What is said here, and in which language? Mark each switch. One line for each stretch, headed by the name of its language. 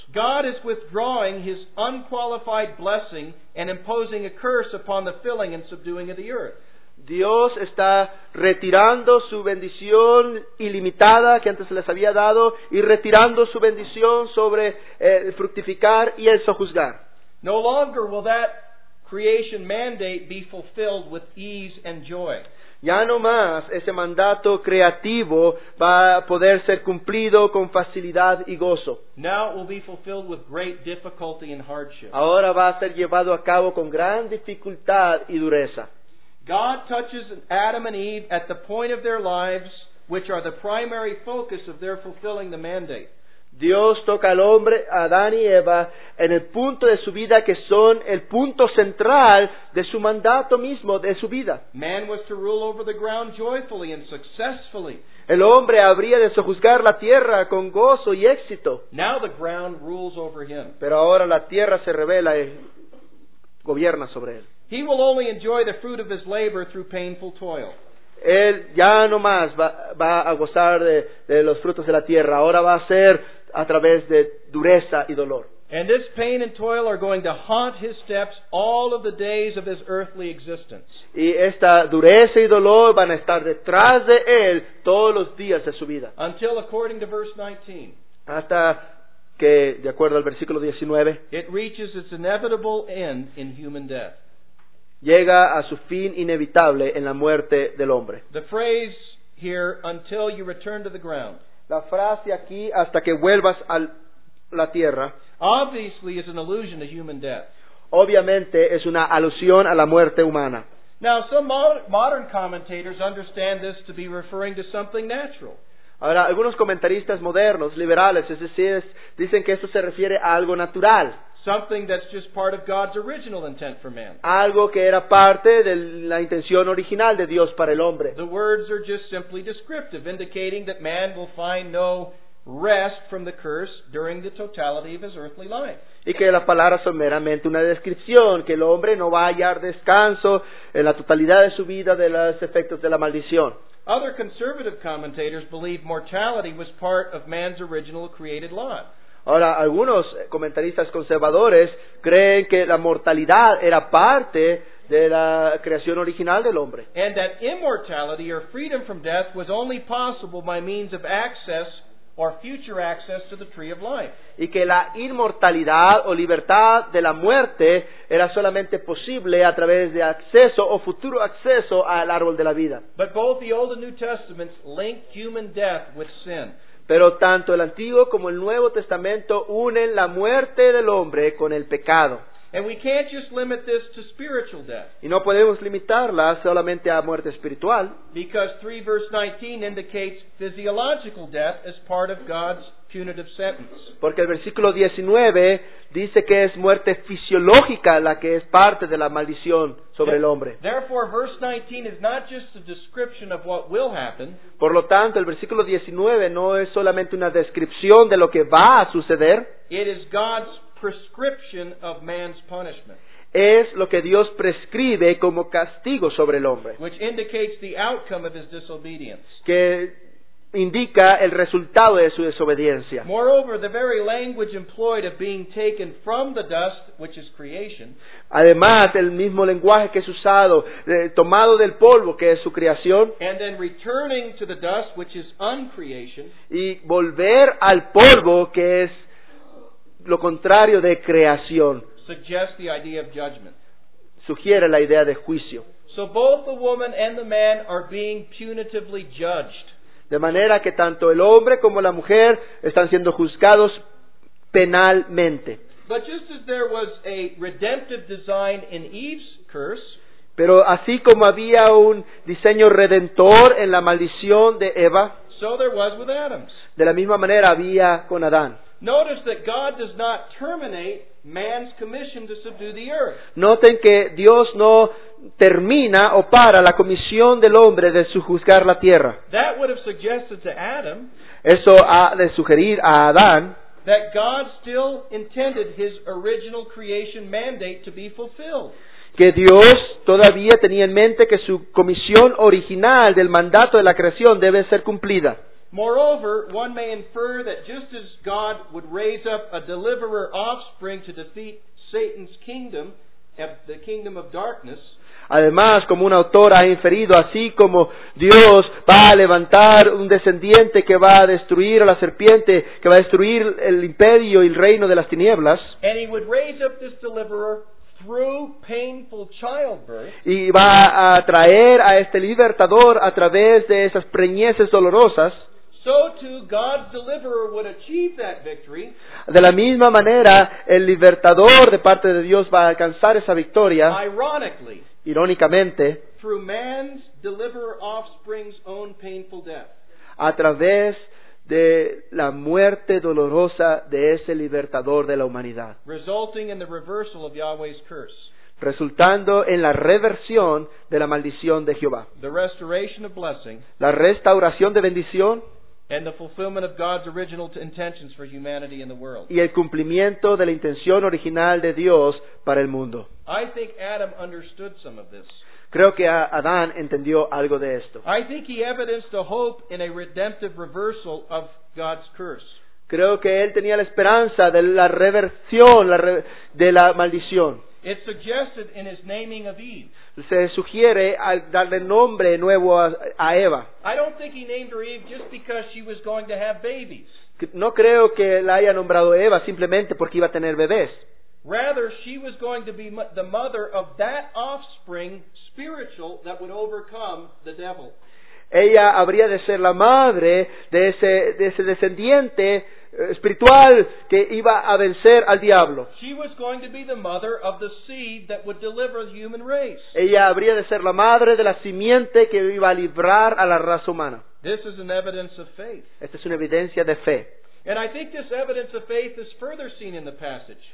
English: God is withdrawing his unqualified blessing and imposing a curse upon the filling and subduing of the earth.
Spanish: Dios está retirando su bendición ilimitada que antes se les había dado y retirando su bendición sobre el fructificar y el sojuzgar.
English: No longer will that creation mandate be fulfilled with ease and joy.
Spanish: Ya no más ese mandato creativo va a poder ser cumplido con facilidad y gozo.
English: Now it will be fulfilled with great difficulty and hardship.
Spanish: Ahora va a ser llevado a cabo con gran dificultad y dureza.
English: God touches Adam and Eve at the point of their lives, which are the primary focus of their fulfilling the mandate.
Spanish: Dios toca al hombre, a Adán y Eva, en el punto de su vida que son el punto central de su mandato mismo, de su vida.
English: Man was to rule over the ground joyfully and successfully.
Spanish: El hombre habría de sojuzgar la tierra con gozo y éxito.
English: Now the ground rules over him.
Spanish: Pero ahora la tierra se revela y gobierna sobre él.
English: He will only enjoy the fruit of his labor through painful toil.
Spanish: Él ya no más va a gozar de los frutos de la tierra. Ahora va a ser a través de dureza y dolor.
English: And this pain and toil are going to haunt his steps all of the days of his earthly existence.
Spanish: Y esta dureza y dolor van a estar detrás de él todos los días de su vida.
English: Until according to verse 19.
Spanish: Hasta que, de acuerdo al versículo 19,
English: it reaches its inevitable end in human death.
Spanish: Llega a su fin inevitable en la muerte del hombre.
English: The phrase here, until you return to the ground.
Spanish: La frase aquí, hasta que vuelvas a la tierra.
English: Obviously is an allusion to human death.
Spanish: Obviamente es una alusión a la muerte humana.
English: Now some modern commentators understand this to be referring to something natural.
Spanish: Ahora, algunos comentaristas modernos, liberales, es decir, dicen que esto se refiere a algo natural.
English: Something that's just part of God's original intent for man.
Spanish: Algo que era parte de la intención original de Dios para el hombre.
English: The words are just simply descriptive, indicating that man will find no rest from the curse during the totality of his earthly life.
Spanish: Y que las palabras son meramente una descripción, que el hombre no va a hallar descanso en la totalidad de su vida de los efectos de la maldición.
English: Other conservative commentators believe mortality was part of man's original created lot.
Spanish: Ahora, algunos comentaristas conservadores creen que la mortalidad era parte de la creación original del hombre.
English: And that immortality or freedom from death was only possible by means of access or future access to the tree of life.
Spanish: Y que la inmortalidad o libertad de la muerte era solamente posible a través de acceso o futuro acceso al árbol de la vida.
English: But both the Old and New Testaments link human death with sin.
Spanish: Pero tanto el Antiguo como el Nuevo Testamento unen la muerte del hombre con el pecado.
English: And we can't just limit this to spiritual death.
Spanish: Y no podemos limitarla solamente a muerte espiritual.
English: Because 3 verse 19 indicates physiological death as part of God's punitive sentence.
Spanish: Porque el versículo 19 dice que es muerte fisiológica la que es parte de la maldición sobre el hombre.
English: Therefore, verse 19 is not just a description of what will happen.
Spanish: Por lo tanto, el versículo 19 no es solamente una descripción de lo que va a suceder.
English: It is God's prescription of man's punishment.
Spanish: Es lo que Dios prescribe como castigo sobre el hombre.
English: Which indicates the outcome of his disobedience.
Spanish: Que indica el resultado de su desobediencia.
English: Moreover, the very language employed of being taken from the dust, which is creation.
Spanish: Además, el mismo lenguaje que es usado, tomado del polvo, que es su creación.
English: And then returning to the dust, which is uncreation.
Spanish: Y volver al polvo, que es lo contrario de creación.
English: Suggests the idea of judgment.
Spanish: Sugiere la idea de juicio.
English: So both the woman and the man are being punitively judged.
Spanish: De manera que tanto el hombre como la mujer están siendo juzgados penalmente.
English: But just as there was a redemptive design in Eve's curse,
Spanish: pero así como había un diseño redentor en la maldición de Eva,
English: so there was with Adam's.
Spanish: De la misma manera había con Adán.
English: Notice that God does not terminate man's commission to subdue the earth.
Spanish: Noten que Dios no termina o para la comisión del hombre de sojuzgar la tierra.
English: That would have suggested to Adam,
Spanish: eso ha de sugerir a Adán,
English: that God still intended his original creation mandate to be fulfilled.
Spanish: Que Dios todavía tenía en mente que su comisión original del mandato de la creación debe ser cumplida.
English: Moreover, one may infer that just as God would raise up a deliverer offspring to defeat Satan's kingdom, the kingdom of darkness.
Spanish: Además, como un autor ha inferido, así como Dios va a levantar un descendiente que va a destruir a la serpiente, que va a destruir el imperio y el reino de las tinieblas,
English: and he would raise up this deliverer through painful childbirth,
Spanish: y va a traer a este libertador a través de esas preñeces dolorosas,
English: so too God's deliverer would achieve that victory.
Spanish: De la misma manera, el libertador de parte de Dios va a alcanzar esa victoria.
English: Ironically,
Spanish: irónicamente,
English: through man's deliverer offspring's own painful death.
Spanish: A través de la muerte dolorosa de ese libertador de la humanidad.
English: Resulting in the reversal of Yahweh's curse.
Spanish: Resultando en la reversión de la maldición de Jehová.
English: The restoration of blessing.
Spanish: La restauración de bendición.
English: And the fulfillment of God's original intentions for humanity in the world.
Spanish: Y el cumplimiento de la intención original de Dios para el mundo.
English: I think Adam understood some of this.
Spanish: Creo que Adán entendió algo de esto.
English: I think he evidenced a hope in a redemptive reversal of God's curse.
Spanish: Creo que él tenía la esperanza de la reversión de la maldición.
English: It's suggested in his naming of Eve.
Spanish: Se sugiere al darle nombre nuevo a Eva.
English: I don't think he named her Eve just because she was going to have babies.
Spanish: No creo que la haya nombrado Eva simplemente porque iba a tener bebés.
English: Rather, she was going to be the mother of that offspring, spiritual, that would overcome the devil.
Spanish: Ella habría de ser la madre de ese descendiente espiritual que iba a vencer al diablo.
English: She was going to be the mother of the seed that would deliver the human race.
Spanish: Ella habría de ser la madre de la simiente que iba a librar a la raza humana.
English: This is an evidence of faith.
Spanish: Esta es una evidencia de fe.
English: And I think this evidence of faith is further seen in the passage.